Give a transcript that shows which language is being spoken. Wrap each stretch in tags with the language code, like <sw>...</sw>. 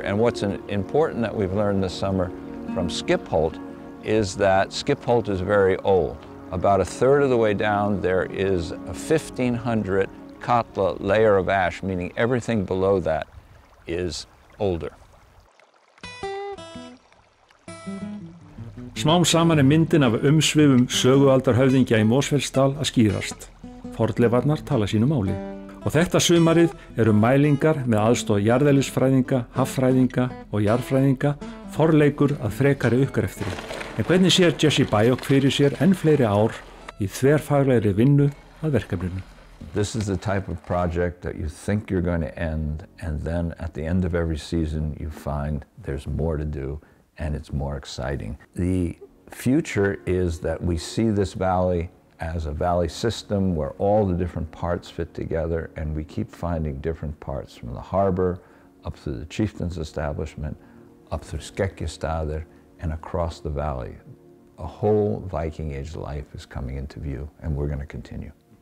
<en>And what's important that we've learned this summer from Skipholt is that Skipholt is very old. About a third of the way down, there is a 1500 Katla layer of ash, meaning everything below that is older.</en> <is>Smám saman myndin af umsvifum sögualdarhöfðingja í Mosfellsdal að skýrast. Fornleifarnar tala sínu máli. Og þetta sumarið eru mælingar með aðstoð jarðeðlisfræðinga, haffræðinga og jarðfræðinga forleikur að frekari uppgreftri. En hvernig sér Jesse Byock fyrir sér enn fleiri ár í þverfaglegri vinnu að verkefninu?</is> <en>This is the type of project that you think you're going to end, and then at the end of every season you find there's more to do and it's more exciting. The future is that we see this valley as a valley system where all the different parts fit together, and we keep finding different parts from the harbor up through the chieftain's establishment, up through Skekkjastadr, and across the valley. A whole Viking Age life is coming into view, and we're going to continue.</en>